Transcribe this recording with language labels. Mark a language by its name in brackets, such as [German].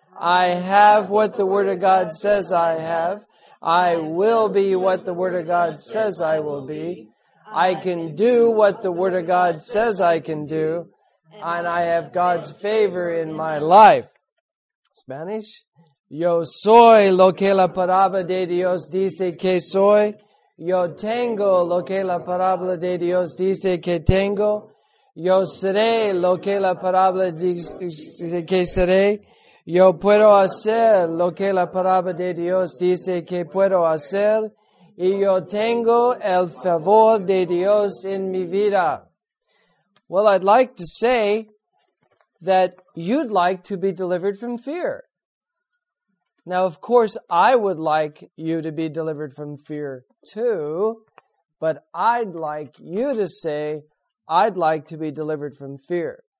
[English] I have what the Word of God says I have. I will be what the Word of God says I will be. I can do what the Word of God says I can do. And I have God's favor in my life. Spanish? [Spanish] Yo soy lo que la palabra de Dios dice que soy. Yo tengo lo que la palabra de Dios dice que tengo. Yo seré lo que la palabra dice que seré. Yo puedo hacer lo que la palabra de Dios dice que puedo hacer. Y yo tengo el favor de Dios en mi vida. [English] Well, I'd like to say that you'd like to be delivered from fear. Now, of course, I would like you to be delivered from fear too, but I'd like you to say, I'd like to be delivered from fear.